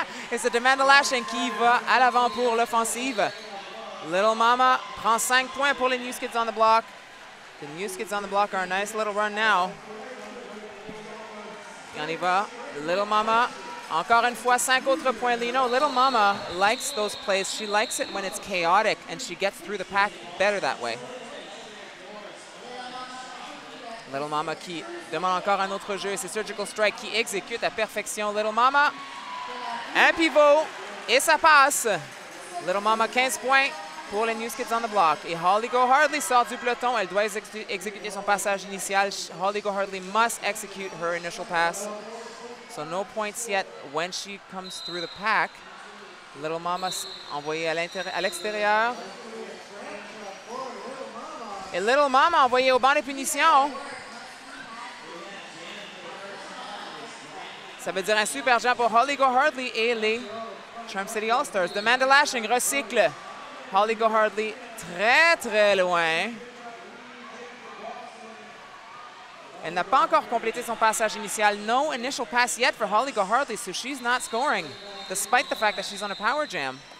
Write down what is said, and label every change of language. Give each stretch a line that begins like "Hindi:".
French: Et c'est Demanda Lashin qui va à l'avant pour l'offensive. Little Mama prend 5 points pour les News Kids on the Block.
English: The News Kids on the Block are a nice little run now.
French: Et on y va. Little Mama, encore une fois, 5 autres points.
English: You know, Little Mama likes those plays. She likes it when it's chaotic and she gets through the pack better that way.
French: Little Mama qui demande encore un autre jeu. C'est Surgical Strike qui exécute à perfection. Little Mama, un pivot et ça passe. Little Mama, 15 points pour les News Kids on the Block. Et Holly Go Hardly sort du peloton. Elle doit exécuter son passage initial. Holly Go Hardly
English: must execute her initial pass. So no points yet when she comes through the pack.
French: Little Mama envoyée à l'extérieur. Et Little Mama envoyée au banc des punitions. Ça veut dire un super jam pour Holly Go Hardly et les Charm City All-Stars. Demanda Lashing recycle. Holly Go Hardly très, très loin. Elle n'a pas encore complété son passage initial.
English: No initial pass yet for Holly Go Hardly, so she's not scoring, despite the fact that she's on a power jam.